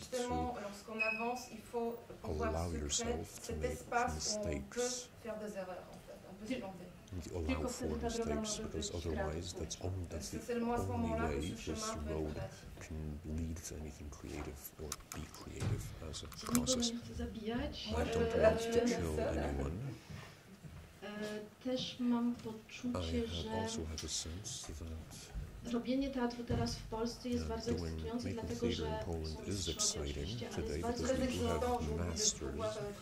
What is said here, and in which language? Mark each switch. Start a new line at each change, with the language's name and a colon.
French: Lorsqu'on avance, il faut pouvoir se créer cet espace où on peut faire des erreurs, en fait. On peut se planter.
English: Allow for mistakes, because otherwise that's the only way this road can lead to anything creative or be creative as a process. I don't want to kill anyone. I have also have a sense that
Polish: robienie teatru teraz w Polsce jest bardzo ekscytujące, dlatego że
English: jest exciting today, because we do have masters.